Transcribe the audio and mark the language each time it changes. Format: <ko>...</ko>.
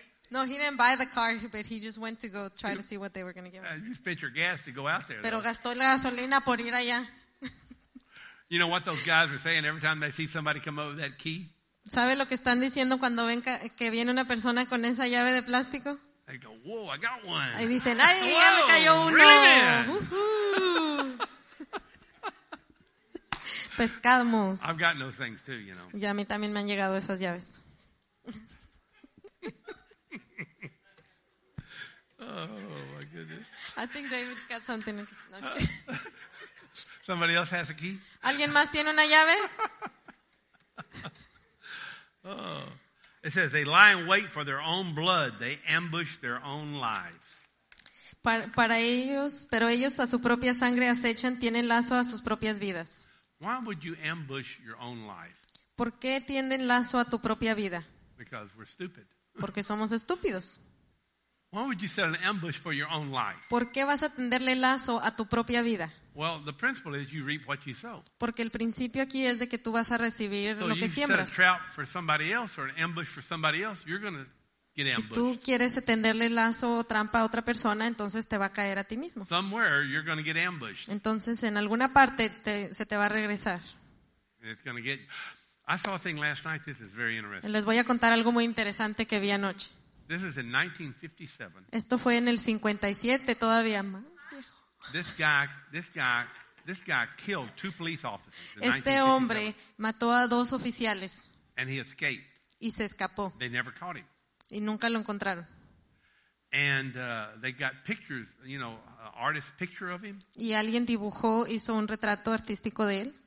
<en>No, he didn't buy the car, but he just went to go try to see what they were going to give him. You spent your gas to go out there.</en> <es>Pero gastó la gasolina por ir allá.</es> <en>You know what those guys are saying every time they see somebody come over that key?</en> <es>¿Sabe lo que están diciendo cuando ven que viene una persona con esa llave de plástico?</es> <en>They go, whoa, I got one.</en> <es>Y dicen, ay, ya me cayó uno. Pescamos.</es> <en>I've got those things too, you know.</en> <es>Y a mí también me han llegado esas llaves.</es> <en>Oh, my goodness. I think David's got something. No, somebody else has a key?</en> <es>¿Alguien más tiene una llave?</es> <en>Oh. It says they lie in wait for their own blood. They ambush their own lives.</en> <es>Para ellos, pero ellos a su propia sangre acechan, tienen lazo a sus propias vidas.</es> <en>Why would you ambush your own life?</en> <es>¿Por qué tienden lazo a tu propia vida?</es> <en>Because we're stupid.</en> <es>Porque somos estúpidos.</es> <en>Why would you set an ambush for your own life?</en> <es>¿Por qué vas a tenderle lazo a tu propia vida?</es> <en>Well, the principle is you reap what you sow.</en> <es>Porque el principio aquí es de que tú vas a recibir</es> <en>so</en> <es>lo que siembras.</es> <en>So you set a trap for somebody else or an ambush for somebody else, you're going to get ambushed.</en> <es>Si tú quieres tenderle lazo o trampa a otra persona, entonces te va a caer a ti mismo.</es> <en>Somewhere you're going to get ambushed.</en> <es>Entonces en alguna parte se te va a regresar.</es> <en>And it's going to get. I saw a thing last night. This is very interesting.</en> <es>Les voy a contar algo muy interesante que vi anoche.</es> <en>This is in 1957.</en> <es>Esto fue en el 57, todavía más viejo.</es> <en>This guy killed two police officers in 1957.</en> <es>Este hombre mató a dos oficiales.</es> <en>And he escaped.</en> <es>Y se escapó.</es> <en>They never caught him.</en> <es>Y nunca lo encontraron.</es> <en>And they got pictures, you know, an artist's picture of him.</en> <es>Y alguien dibujó, hizo un retrato artístico de él.</es>